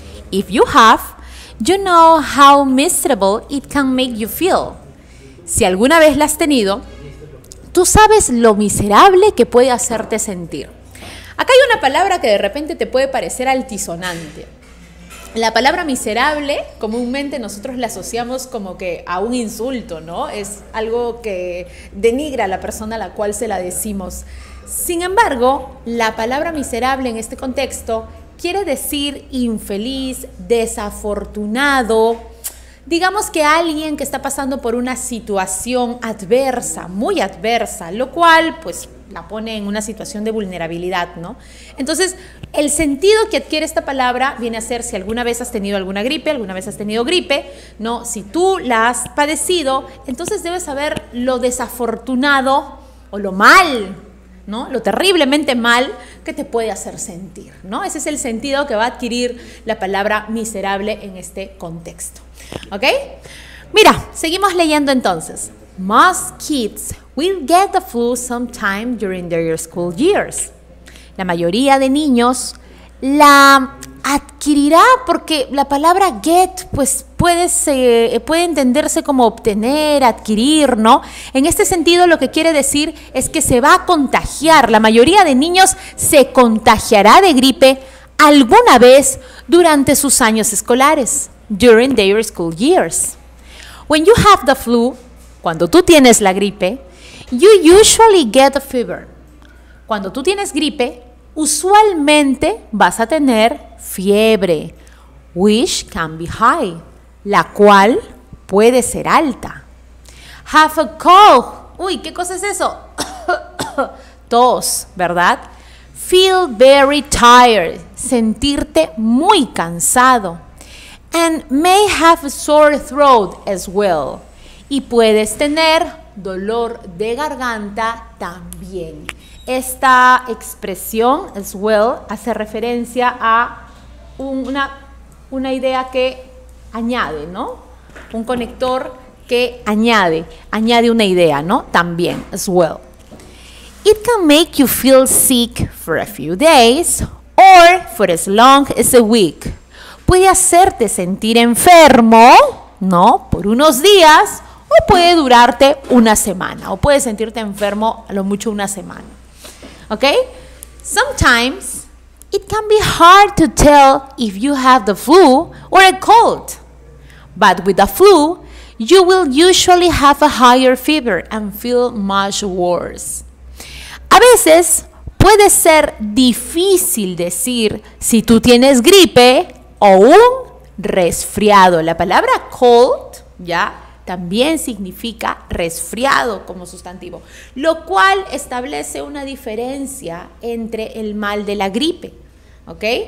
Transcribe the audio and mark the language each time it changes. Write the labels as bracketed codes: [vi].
[en] If you have, you know how miserable it can make you feel. [es] Si alguna vez la has tenido, tú sabes lo miserable que puede hacerte sentir. Acá hay una palabra que de repente te puede parecer altisonante. La palabra miserable, comúnmente nosotros la asociamos como que a un insulto, ¿no? Es algo que denigra a la persona a la cual se la decimos. Sin embargo, la palabra miserable en este contexto quiere decir infeliz, desafortunado. Digamos que alguien que está pasando por una situación adversa, muy adversa, lo cual pues la pone en una situación de vulnerabilidad, ¿no? Entonces, el sentido que adquiere esta palabra viene a ser si alguna vez has tenido alguna gripe, ¿no? Si tú la has padecido, entonces debes saber lo desafortunado o lo mal, ¿no? Lo terriblemente mal que te puede hacer sentir, ¿no? Ese es el sentido que va a adquirir la palabra miserable en este contexto. ¿Ok? Mira, seguimos leyendo entonces. [en] Most kids will get the flu sometime during their school years. [es] La mayoría de niños la adquirirá, porque la palabra get pues puede entenderse como obtener, adquirir, ¿no? En este sentido lo que quiere decir es que se va a contagiar. La mayoría de niños se contagiará de gripe alguna vez durante sus años escolares. [en] During their school years. When you have the flu, [es] cuando tú tienes la gripe, [en] you usually get a fever. [es] Cuando tú tienes gripe, usualmente vas a tener fiebre, [en] which can be high, [es] la cual puede ser alta. [en] Have a cough. [es] Uy, ¿qué cosa es eso? Tos, ¿verdad? [en] Feel very tired. [es] Sentirte muy cansado. [en] And may have a sore throat as well. [es] Y puedes tener dolor de garganta también. Esta expresión, as well, hace referencia a una idea que añade, ¿no? Un conector que añade una idea, ¿no? También, [en] as well. It can make you feel sick for a few days or for as long as a week. [es] Puede hacerte sentir enfermo, ¿no? Por unos días, o puede durarte una semana, o puede sentirte enfermo a lo mucho una semana. ¿Ok? [en] Sometimes, it can be hard to tell if you have the flu or a cold. But with the flu, you will usually have a higher fever and feel much worse. [es] A veces, puede ser difícil decir si tú tienes gripe o un resfriado. La palabra cold, ¿ya? También significa resfriado como sustantivo, lo cual establece una diferencia entre el mal de la gripe, ¿ok?